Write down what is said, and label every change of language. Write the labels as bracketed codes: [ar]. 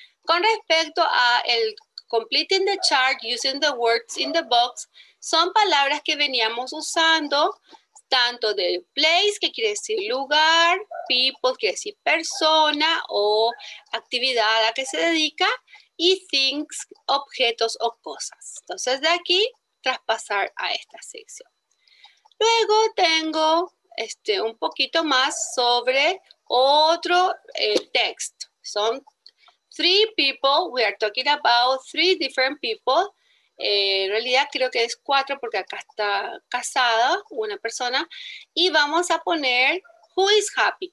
[es] Con respecto a el completing the chart using the words in the box, son palabras que veníamos usando, tanto de place, que quiere decir lugar, people, quiere decir persona o actividad a la que se dedica, y things, objetos o cosas. Entonces, de aquí, traspasar a esta sección. Luego tengo un poquito más sobre otro texto. [en] Son three people, we are talking about three different people. [es] En realidad creo que es cuatro porque acá está casada una persona. Y vamos a poner, [en] who is happy?